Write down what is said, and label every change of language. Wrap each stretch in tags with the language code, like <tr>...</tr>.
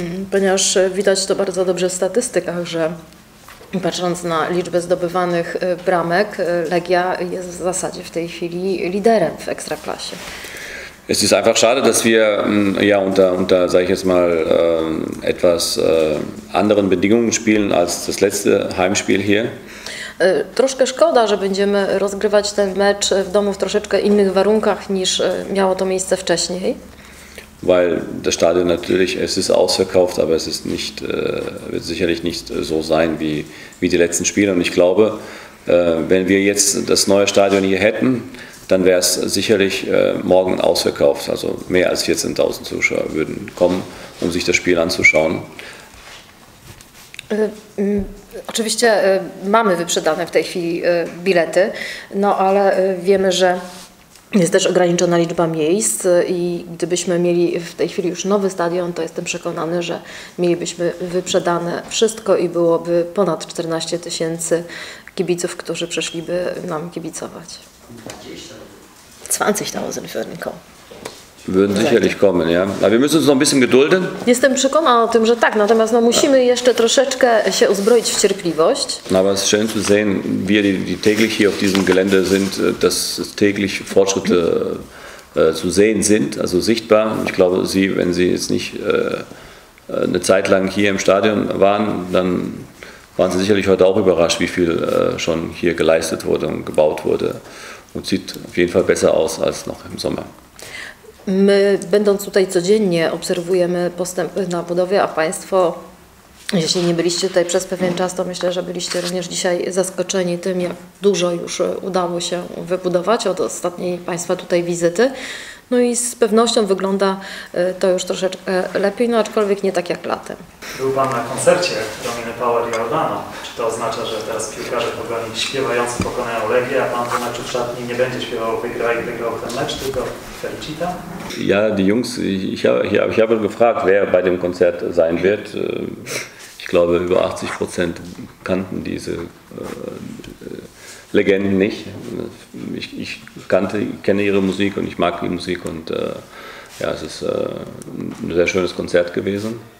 <pl>Ponieważ widać to bardzo dobrze w statystykach, że patrząc na liczbę zdobywanych bramek, Legia jest w zasadzie w tej chwili liderem w Ekstraklasie.</pl> <de>Es ist einfach schade, dass wir ja unter sage ich jetzt mal etwas anderen Bedingungen spielen als das letzte Heimspiel hier.</de> <pl>Troszkę szkoda, że będziemy rozgrywać ten mecz w domu w troszeczkę innych warunkach niż miało to miejsce wcześniej.</pl> <de>Weil das Stadion natürlich, es ist ausverkauft, aber es ist nicht, wird sicherlich nicht so sein wie die letzten Spiele. Und ich glaube, wenn wir jetzt das neue Stadion hier hätten, dann wäre es sicherlich morgen ausverkauft. Also mehr als 14.000 Zuschauer würden kommen, um sich das Spiel anzuschauen.</de> <pl>Oczywiście mamy wyprzedane w tej chwili bilety, no ale wiemy, że Jest też ograniczona liczba miejsc i gdybyśmy mieli w tej chwili już nowy stadion, to jestem przekonany, że mielibyśmy wyprzedane wszystko i byłoby ponad 14 tysięcy kibiców, którzy przyszliby nam kibicować.</pl> <de>20.000 für den Kopf. Würden sicherlich kommen, ja. Aber wir müssen uns noch ein bisschen gedulden.</de> <pl>Jestem przekonana o tym, że tak, natomiast no, musimy jeszcze troszeczkę się uzbroić w cierpliwość.</pl> <de>Aber es ist schön zu sehen, wir, die täglich hier auf diesem Gelände sind, dass täglich Fortschritte zu sehen sind, also sichtbar. Ich glaube, Sie, wenn Sie jetzt nicht eine Zeit lang hier im Stadion waren, dann waren Sie sicherlich heute auch überrascht, wie viel schon hier geleistet wurde und gebaut wurde. Und sieht auf jeden Fall besser aus als noch im Sommer.</de> <pl>My, będąc tutaj codziennie, obserwujemy postępy na budowie, a Państwo, jeśli nie byliście tutaj przez pewien czas, to myślę, że byliście również dzisiaj zaskoczeni tym, jak dużo już udało się wybudować od ostatniej Państwa tutaj wizyty. No i z pewnością wygląda to już troszeczkę lepiej, no aczkolwiek nie tak jak latem. Był Pan na koncercie Dominy Power i Jordana. Czy to oznacza, że teraz piłkarze pogoni śpiewający pokonają Legię, a Pan w meczu w szatni nie będzie śpiewał wygraj, wygrał ten mecz, tylko...</pl> <de>Ja, die Jungs, ich habe gefragt, wer bei dem Konzert sein wird. Ich glaube, über 80% kannten diese Legenden nicht. Ich kenne ihre Musik und ich mag die Musik und ja, es ist ein sehr schönes Konzert gewesen.</de>